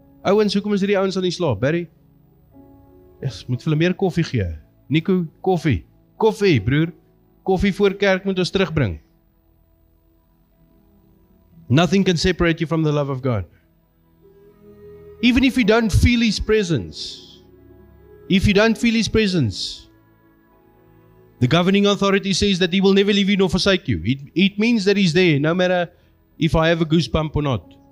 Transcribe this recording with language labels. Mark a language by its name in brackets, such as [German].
[Afrikaans] Owens, hoekom is die ouens aan die slaap? Barry? Yes, moet vir hulle meer koffie gee. Nico, koffie. Koffie, broer. Koffie voor kerk moet ons terugbring. [English] Nothing can separate you from the love of God. Even if you don't feel His presence, the governing authority says that He will never leave you nor forsake you. It means that He's there, no matter if I have a goosebump or not.